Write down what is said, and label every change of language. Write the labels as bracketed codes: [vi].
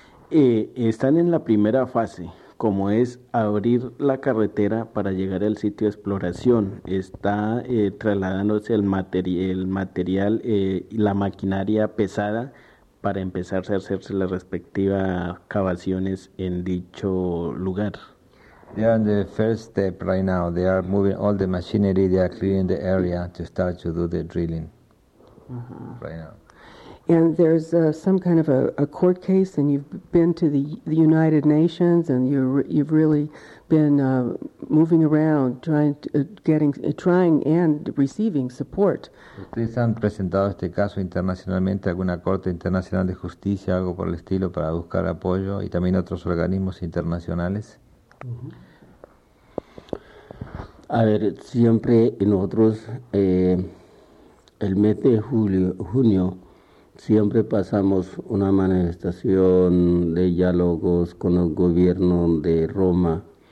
[es] Están en la primera fase, como es abrir la carretera para llegar al sitio de exploración. Está trasladándose el material y la maquinaria pesada para empezar a hacerse las respectivas cavaciones en dicho lugar. [en] They are in the first step right now. They are moving all the machinery. They are clearing the area to start to do the drilling right now. And there's some kind of a court case, and you've been to the United Nations, and you've really been moving around, trying and receiving support. [es] ¿Ustedes han presentado este caso internacionalmente, alguna corte internacional de justicia, algo por el estilo, para buscar apoyo, y también otros organismos internacionales? A ver, siempre nosotros el mes de junio siempre pasamos una manifestación de diálogos con el gobierno de Roma.